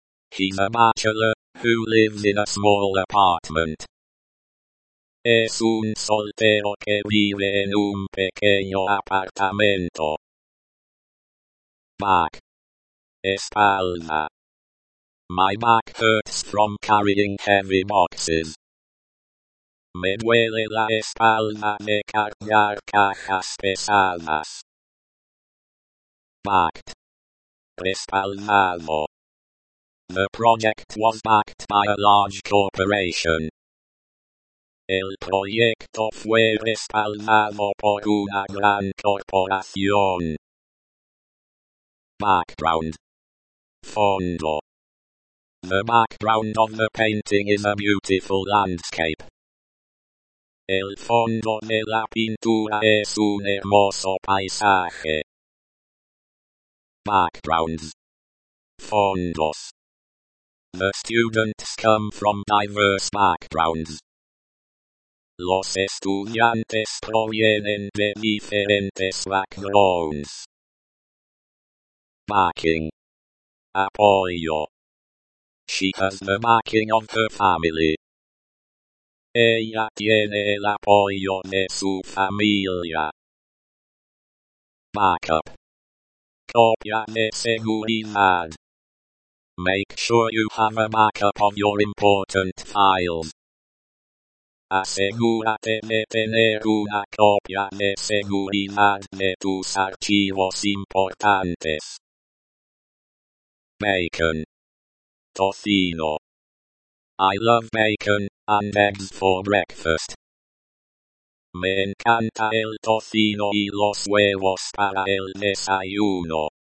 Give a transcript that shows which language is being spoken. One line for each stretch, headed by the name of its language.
English: He's a bachelor who lives in a small apartment.
Spanish: Es un soltero que vive en un pequeño apartamento. Back.
English: Espalda. My back hurts from carrying heavy boxes.
Spanish: Me duele la espalda de cargar cajas pesadas. Backed. Respaldado.
English: The project was backed by a large corporation.
Spanish: El proyecto fue respaldado por una gran corporación. Background. Fondo.
English: The background of the painting is a beautiful landscape.
Spanish: El fondo de la pintura es un hermoso paisaje.
English: Backgrounds. Fondos. The students come from diverse backgrounds.
Spanish: Los estudiantes provienen de diferentes backgrounds. Backing. Apoyo.
English: She has the backing of her family.
Spanish: Ella tiene el apoyo de su familia.
English: Backup.
Spanish: Copia de seguridad.
English: Make sure you have a backup of your important files.
Spanish: Asegúrate de tener una copia de seguridad de tus archivos importantes. Bacon. Tocino.
English: I love bacon and eggs for breakfast.
Spanish: Me encanta el tocino y los huevos para el desayuno.